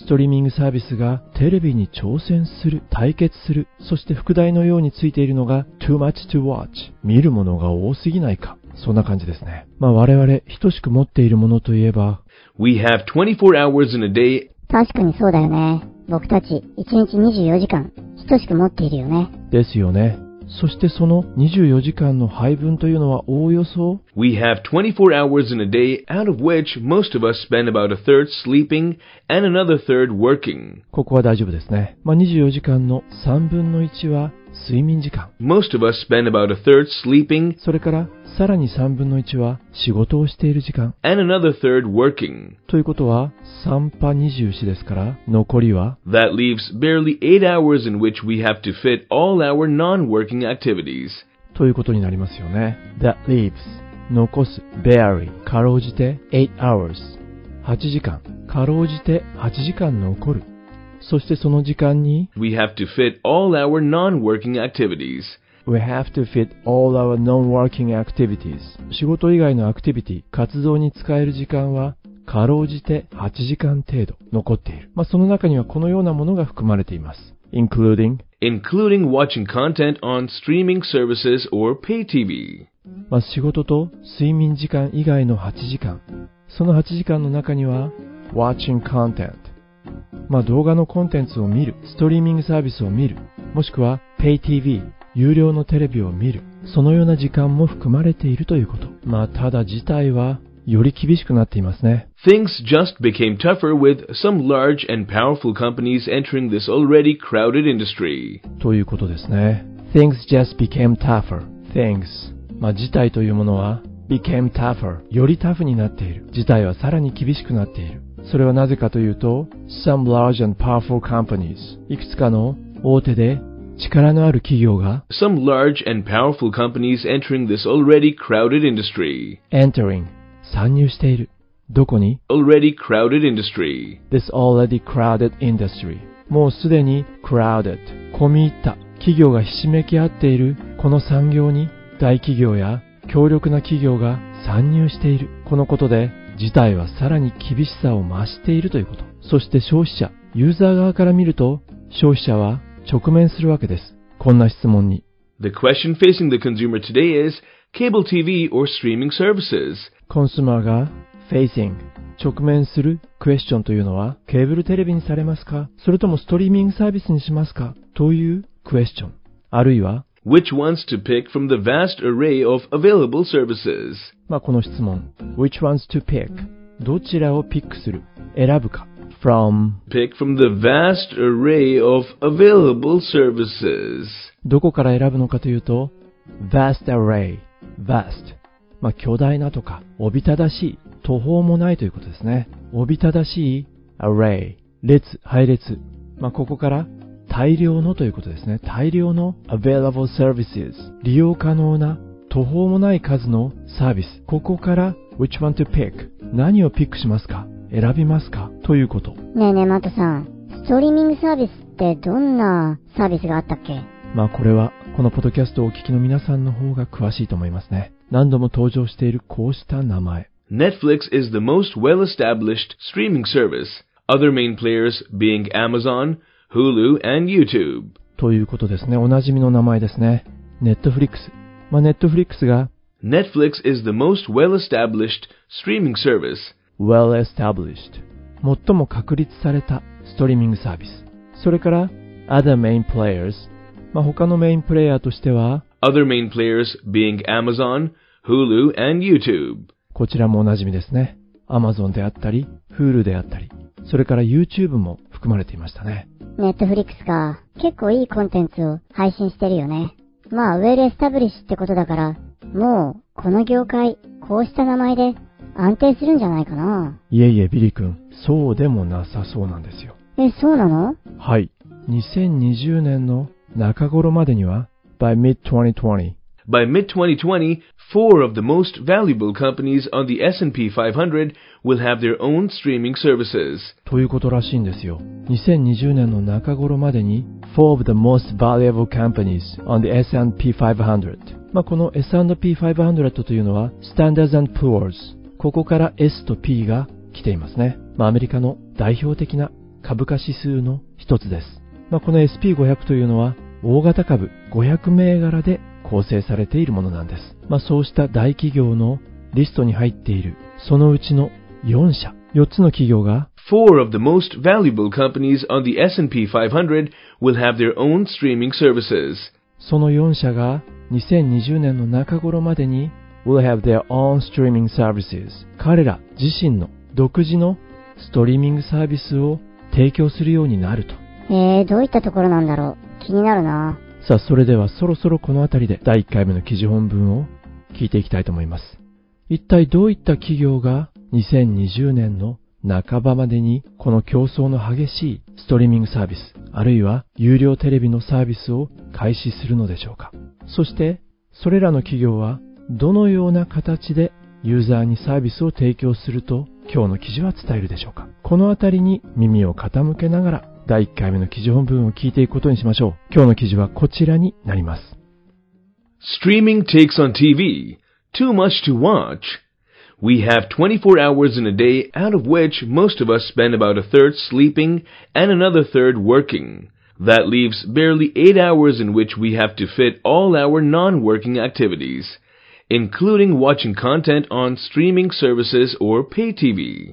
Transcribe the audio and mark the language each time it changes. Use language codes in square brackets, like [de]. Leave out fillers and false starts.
[ja] ストリーミングサービスがテレビに挑戦する、対決する、そして副題のようについているのが [en] too much to watch、 [ja] 見るものが多すぎないか、そんな感じですね。まあ我々等しく持っているものといえば、 [en] We have 24 hours in a day. [ja] 確かにそうだよね。僕たち1日24時間等しく持っているよね。ですよね。そしてその24時間の配分というのはおおよそ、 [en] We have 24 hours in a day, out of which most of us spend about a third sleeping and another third working. [ja] ここは大丈夫ですね。まあ24時間の3分の1は睡眠時間。 [en] Most of us spend about a third sleeping. [ja] それからさらに3分の1は仕事をしている時間。 [en] And another third working. [ja] ということは3パ24ですから残りは、 [en] That leaves barely 8 hours in which we have to fit all our non-working activities. [ja] ということになりますよね。 [en] That leaves [ja] 残す barely かろうじて [en] 8 hours [ja] 8時間かろうじて8時間残る。そしてその時間に、 [en] We have to fit all our non-working activities. We have to fit all our non-working activities. [ja] 仕事以外のアクティビティ、活動に使える時間は、かろうじて8時間程度残っている。まあ、その中にはこのようなものが含まれています。 [en] Including, including watching content on streaming services or pay TV. [ja] まあ、仕事と睡眠時間以外の8時間。その8時間の中には、 [en] watching content. [ja] まあ、動画のコンテンツを見る、ストリーミングサービスを見る、もしくは Pay TV、有料のテレビを見る、そのような時間も含まれているということ。まあ、ただ事態はより厳しくなっていますね。 [en] Things just became tougher with some large and powerful companies entering this already crowded industry. [ja] ということですね。 [en] Things just became tougher. Things. [ja] まあ、事態というものは [en] became tougher. [ja] よりタフになっている。事態はさらに厳しくなっている。それはなぜかというと、 [en] Some large and powerful companies. [ja] いくつかの大手で力のある企業が、 [en] Some large and powerful companies entering this already crowded industry. [ja] Entering. 参入している。どこに？ [en] Already crowded industry. This already crowded industry. [ja] もうすでに crowded. 混み入った。企業がひしめき合っているこの産業に、大企業や強力な企業が参入している。このことで、事態はさらに厳しさを増しているということ。そして消費者、ユーザー側から見ると、消費者は直面するわけです。こんな質問に。 [en] The question facing the consumer today is cable TV or streaming services. [ja] コンスーマーが facing 直面するクエスチョンというのは、ケーブルテレビにされますか、それともストリーミングサービスにしますかというクエスチョン。あるいは、 [en] Which ones to pick from the vast array of available services? [ja] まあこの質問。 [en] Which ones to pick? [ja] どちらをピックする？選ぶか。From [en] Pick from the vast array of available services. [ja] どこから選ぶのかというと、Vast array. [en] Vast. [ja] まあ巨大なとか、おびただしい、途方もないということですね。おびただしい、array. 列、配列。まあここから、大量のということですね。大量の available services。利用可能な途方もない数のサービス。ここから [en] which one to pick。 [ja] 何をピックしますか？選びますか？ということ。ねえねえ、マトさん。ストリーミングサービスってどんなサービスがあったっけ？まあこれはこのポッドキャストをお聞きの皆さんの方が詳しいと思いますね。何度も登場しているこうした名前。 [en] Netflix is the most well-established streaming service, other main players being Amazon, Hulu, and YouTube. [ja] ということですね。おなじみの名前ですね。Netflix。 まあ、Netflix が [en] Netflix is the most well-established streaming service. Well-established。 [ja] 最も確立されたストリーミングサービス。それから [en] Other main players。 [ja] まあ、他のメインプレイヤーとしては [en] Other main players being Amazon, Hulu, and YouTube。 [ja] こちらもおなじみですね。Amazon であったり、Hulu であったり、それから YouTube も含まれていましたね。 Netflix か、結構いいコンテンツを配信してるよね。まあ、Well Established ってことだから、もう、この業界、こうした名前で安定するんじゃないかな。いえいえ、ビリ君、そうでもなさそうなんですよ。え、そうなの？はい。 2020年の中頃までには、 [en] By mid-2020、 By mid-2020, four of the most valuable companies on the S&P 500 will have their own streaming services. [ja] ということらしいんですよ。 2020年の中頃までに、 [en] four of the most valuable companies on the S&P 500。 [ja] まあ、この S&P 500というのは、Standard and Poor's。ここから S と P が来ていますね。まあ、アメリカの代表的な株価指数の一つです。まあ、この SP500 というのは、大型株500銘柄で構成されているものなんです。まあ、そうした大企業のリストに入っているそのうちの4社、4つの企業が [en] Four of the most valuable companies on the S&P 500 will have their own streaming services. [ja] その4社が2020年の中頃までに [en] will have their own streaming services. [ja] 彼ら自身の独自のストリーミングサービスを提供するようになると。どういったところなんだろう。気になるな。さあ、それではそろそろこのあたりで第1回目の記事本文を聞いていきたいと思います。一体どういった企業が2020年の半ばまでにこの競争の激しいストリーミングサービス、あるいは有料テレビのサービスを開始するのでしょうか。そして、それらの企業はどのような形でユーザーにサービスを提供すると今日の記事は伝えるでしょうか。このあたりに耳を傾けながら、第1回目の記事本文を聞いていくことにしましょう。今日の記事はこちらになります。 [en] Streaming takes on TV. Too much to watch. We have 24 hours in a day, out of which most of us spend about a third sleeping and another third working. That leaves barely 8 hours in which we have to fit all our non-working activities, including watching content on streaming services or pay TV.